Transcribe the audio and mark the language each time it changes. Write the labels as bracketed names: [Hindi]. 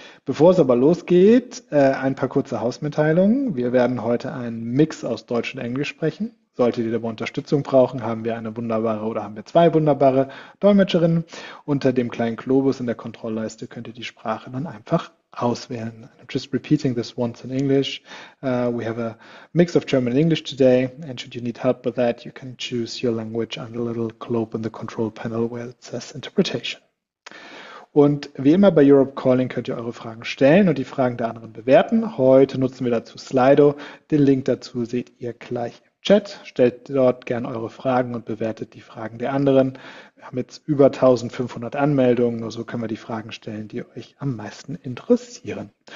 [German] Bevor es aber losgeht, ein paar kurze Hausmitteilungen. Wir werden heute einen Mix aus Deutsch und Englisch sprechen. Solltet ihr dabei Unterstützung brauchen, haben wir eine wunderbare oder haben wir zwei wunderbare Dolmetscherinnen. Unter dem kleinen Globus in der Kontrollleiste könnt ihr die Sprache dann einfach auswählen. [English] I'm just repeating this once in English. We have a mix of German and English today. And should you need help with that, you can choose your language on the little globe in the control panel where it says Interpretation. [German] Und wie immer bei Europe Calling könnt ihr eure Fragen stellen und die Fragen der anderen bewerten. Heute nutzen wir dazu Slido. Den Link dazu seht ihr gleich im Chat. Stellt dort gerne eure Fragen und bewertet die Fragen der anderen. Wir haben jetzt über 1500 Anmeldungen. Nur so können wir die Fragen stellen, die euch am meisten interessieren.